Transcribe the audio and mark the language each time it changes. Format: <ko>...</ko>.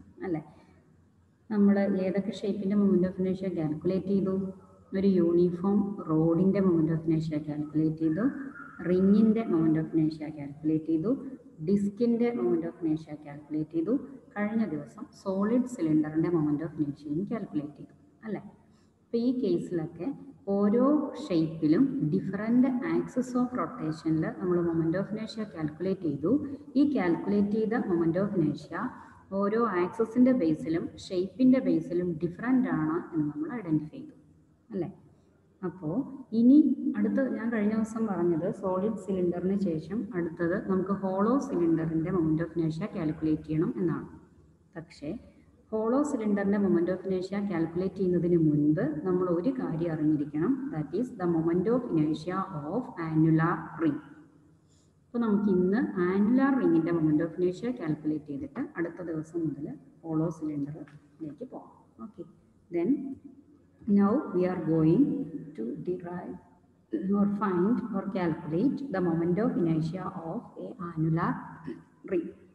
<ml>Alle nammal edakke shape inde moment of inertia calculate cheydu oru uniform rod inde moment of inertia calculate cheydu ring inde moment of inertia calculate cheydu ഡിസ്കിൻ്റെ moment of ഇനേഷ്യ calculate ചെയ്തു. കഴിഞ്ഞ ദിവസം solid സിലിണ്ടറിൻ്റെ moment of ഇനേഷ്യയും calculate ചെയ്തു അല്ലേ. അപ്പം ഈ കേസിലൊക്കെ ഓരോ ഷേപ്പിലും different access of റൊട്ടേഷനിൽ നമ്മൾ moment of ഇനേഷ്യ calculate ചെയ്തു. ഈ കാൽക്കുലേറ്റ് ചെയ്ത മൊമെൻ്റ് ഓഫ് ഇനേഷ്യ ഓരോ ആക്സസിൻ്റെ ബേസിലും ഷേപ്പിൻ്റെ ബേസിലും ഡിഫറൻ്റ് ആണ് എന്ന് നമ്മൾ ഐഡൻറ്റിഫൈ ചെയ്തു അല്ലേ. അപ്പോൾ ഇനി അടുത്ത് ഞാൻ കഴിഞ്ഞ ദിവസം പറഞ്ഞത് സോളിഡ് സിലിണ്ടറിന് ശേഷം അടുത്തത് നമുക്ക് ഹോളോ സിലിണ്ടറിൻ്റെ മൊമെൻ്റ് ഓഫ് ഇനേഷ്യ കാൽക്കുലേറ്റ് ചെയ്യണം എന്നാണ്. പക്ഷേ ഹോളോ സിലിണ്ടറിൻ്റെ മൊമെൻ്റ് ഓഫ് ഇനേഷ്യ കാൽക്കുലേറ്റ് ചെയ്യുന്നതിന് മുൻപ് നമ്മൾ ഒരു കാര്യം അറിഞ്ഞിരിക്കണം.</ml> <en>That is the moment of ഇനേഷ്യ of annular ring.</en> <ml>അപ്പോൾ നമുക്ക് ഇന്ന് ആനുലാർ റിങ്ങിൻ്റെ മൊമെൻ്റ് ഓഫ് ഇനേഷ്യ കാൽക്കുലേറ്റ് ചെയ്തിട്ട് അടുത്ത ദിവസം മുതൽ ഹോളോ സിലിണ്ടറിലേക്ക് പോകാം.</ml> <en>Okay, then Now we are going to derive or find or calculate the moment of inertia of a annular ring.</en>